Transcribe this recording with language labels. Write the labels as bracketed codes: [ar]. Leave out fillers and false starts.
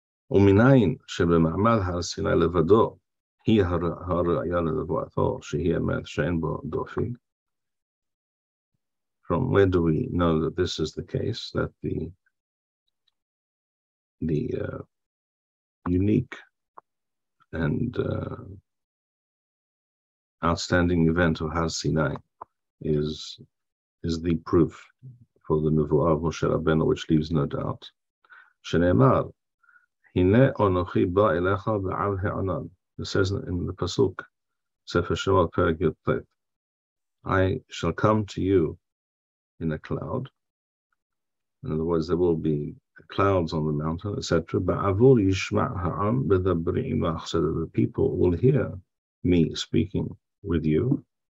[he] ומנין שבמעמד הר סיני לבדו היא הראיה לנבואתו שהיא אמת שאין בו דופי. [en] From where do we know that this is the case, that the unique and outstanding event of Har Sinai is the proof for the Nevoah of Moshe Rabbeinu, which leaves no doubt. [he] שנאמר, הנה אנוכי בא אליך ועל הענן. [en] It says in the Pasuk, Sefer Shemot, Perek Yotet, I shall come to you in a cloud. In other words, there will be clouds on the mountain, etc. Ba'avur yishma ha'am bedabri imach, so that the people will hear me speaking with you.